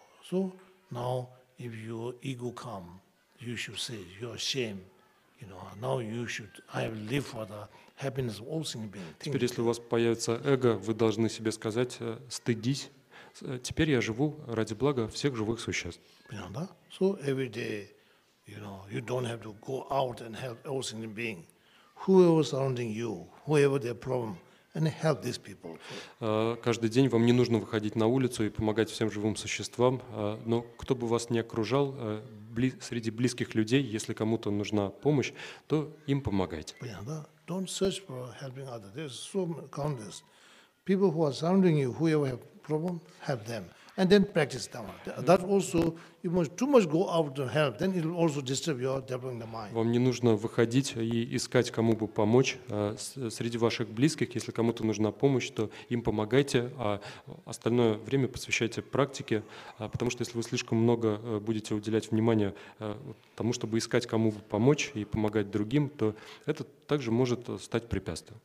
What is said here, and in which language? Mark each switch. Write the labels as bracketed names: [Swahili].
[English] So now, if your ego come, you should say your shame. You know, now you should. I have lived for the happiness of all things. [Russian] Теперь, если у вас появится эго, вы должны себе сказать: стыдись. Теперь я живу ради блага всех живых существ. Понятно? [English] So every day, you know, you don't have to go out and help all things being. Whoever surrounding you, whoever their problem, and help these people. [Russian] Каждый день вам не нужно выходить на улицу и помогать всем живым существам, но кто бы вас ни окружал, среди близких людей, если кому-то нужна помощь, то им помогайте. Понятно, да? [English] Don't search for helping others. There's so countless people who are surrounding you, whoever have problem, help them. And then practice dhamma. That also, you must too much go out to help, then it will also disturb your developing the mind. [Russian] Вам не нужно выходить и искать кому бы помочь среди ваших близких, если кому-то нужна помощь, то им помогайте, а остальное время посвящайте практике, потому что если вы слишком много будете уделять внимания тому, чтобы искать кому бы помочь и помогать другим, то это также может стать препятствием.